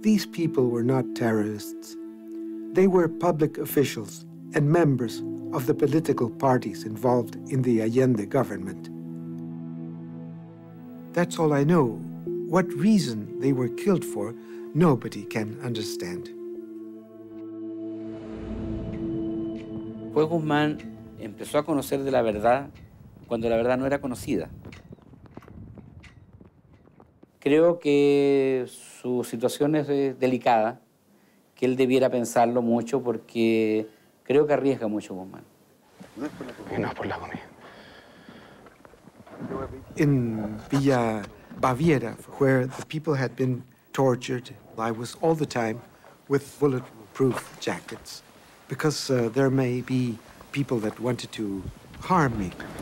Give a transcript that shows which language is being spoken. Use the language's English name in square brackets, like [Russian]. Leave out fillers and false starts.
[English] These people were not terrorists. They were public officials and members of the political parties involved in the Allende government. That's all I know. What reason they were killed for, nobody can understand. [Spanish] Juan Guzmán empezó a conocer de la verdad cuando la verdad no era conocida. Creo que su situación es delicada, que él debiera pensarlo mucho porque creo que arriesga mucho Guzmán. No es por la comida. [English] In Villa Baviera, where the people had been tortured, I was all the time with bulletproof jackets because there may be people that wanted to harm me.